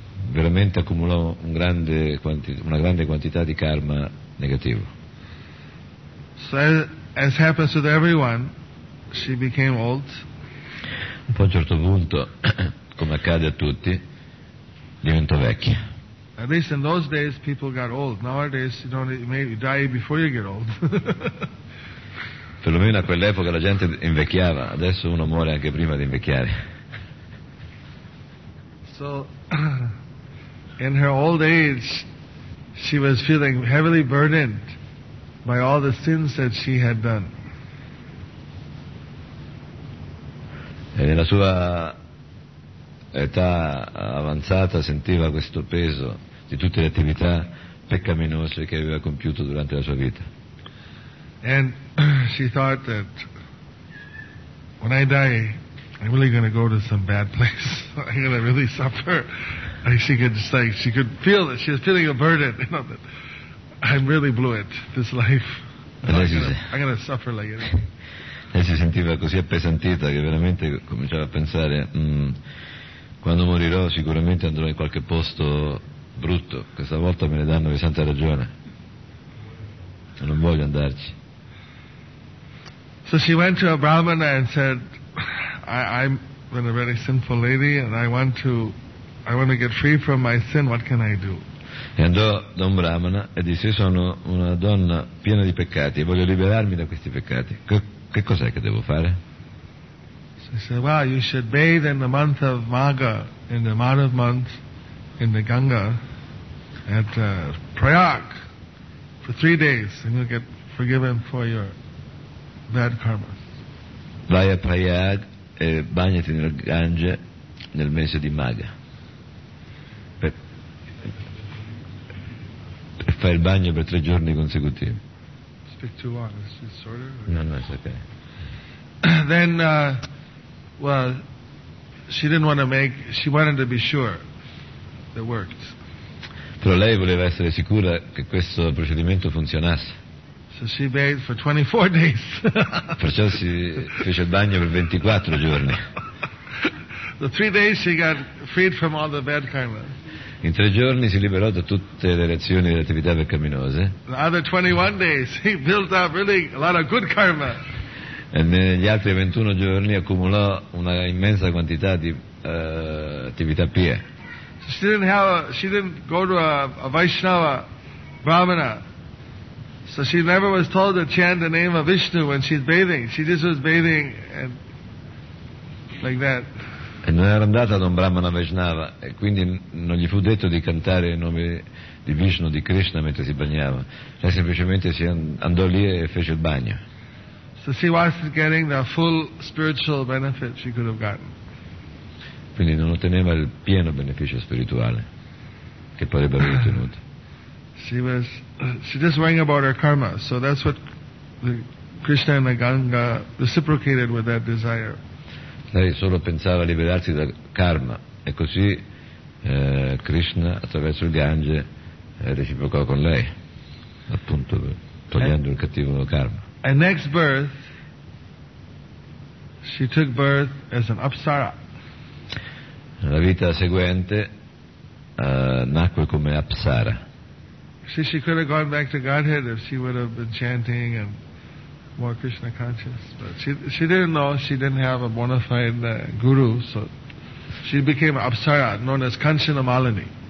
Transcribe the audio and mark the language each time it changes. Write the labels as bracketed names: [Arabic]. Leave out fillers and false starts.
[Italian] Veramente accumulò una grande quantità di karma negativo. [English] So, as happens with everyone, she became old. [Italian] Poi a un certo punto, come accade a tutti, diventò vecchia. [English] At least in those days people got old. Nowadays you don't maybe die before you get old. [Italian] Perlomeno a quell'epoca la gente invecchiava, adesso uno muore anche prima di invecchiare. [English] So in her old age she was feeling heavily burdened by all the sins that she had done. [Italian] E nella sua età avanzata sentiva questo peso di tutte le attività peccaminose che aveva compiuto durante la sua vita. [English] And she thought that when I die I'm really going to go to some bad place. I'm going to really suffer. And she could just like she could feel that she was feeling a burden, you know, that I'm really blew it this life. I'm going to suffer like it. [Italian] E si sentiva così appesantita che veramente cominciava a pensare quando morirò sicuramente andrò in qualche posto brutto, questa volta me ne danno di santa ragione. Non voglio andarci. [English] So she went to a brahmana and said, I'm a very sinful lady and I want to get free from my sin, what can I do? [Italian] E andò da un brahmana e disse, io sono una donna piena di peccati e voglio liberarmi da questi peccati. Che cos'è che devo fare? [English] She said, well, you should bathe in the month of Magha, in the Madhav month, in the Ganga, at Prayag, for 3 days, and you'll get forgiven for your bad karma. [Italian] Vai a Prayag e bagnati nel Gange nel mese di Magha. Per fai il bagno per 3 giorni consecutivi. [English] Speak too long, is it shorter? No, it's okay. Then, well, she didn't want to make, she wanted to be sure. That worked. [Italian] Però lei voleva essere sicura che questo procedimento funzionasse. [English] So she bathed for 24 days. [Italian] Perciò si fece il bagno per 24 giorni. [English] The 3 days she got freed from all the bad karma. [Italian] In 3 giorni si liberò da tutte le reazioni delle attività peccaminose. [English] The other 21 days he built up really a lot of good karma. [Italian] E negli altri 21 giorni accumulò una immensa quantità di attività pie. [English] She didn't go to a Vaishnava Brahmana. So she never was told to chant the name of Vishnu when she's bathing. She just was bathing and like that. [Italian] E non era andata da un Brahmana Vaishnava e quindi non gli fu detto di cantare il nome di Vishnu, di Krishna mentre si bagnava. Lei semplicemente si andò lì e fece il bagno. [English] So she wasn't getting the full spiritual benefit she could have gotten. [Italian] Quindi non otteneva il pieno beneficio spirituale che potrebbe aver ottenuto. [English] She just worrying about her karma, so that's what Krishna and the Ganga reciprocated with that desire. [Italian] Lei solo pensava a liberarsi dal karma e così Krishna attraverso il Gange reciprocò con lei, appunto togliendo il cattivo karma. [English] And next birth, she took birth as an apsara. [Italian] Nella vita seguente nacque come apsara. [English] See, she could have gone back to Godhead if she would have been chanting and more Krishna conscious, but she didn't know, she didn't have a bona fide guru, so she became apsara, known as Kanchanamalani.